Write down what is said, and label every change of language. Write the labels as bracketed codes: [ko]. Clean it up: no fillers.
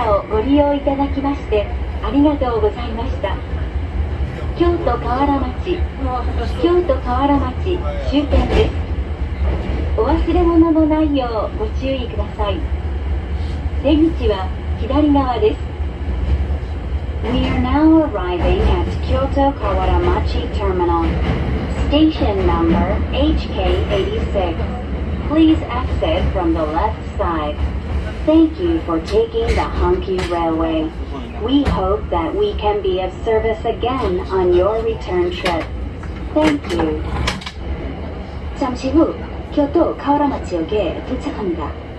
[ja] ご利用いただきましてありがとうございました。京都河原町、京都河原町終点です。お忘れ物のないようご注意ください。出口は左側です。 [en] We are now arriving at Kyoto Kawaramachi Terminal. Station number HK86. Please exit from the left sideThank you for taking the Hankyu Railway. We hope that we can be of service again on your return trip. Thank you. [ko] 잠시 후 京都河原町역에도착합니다。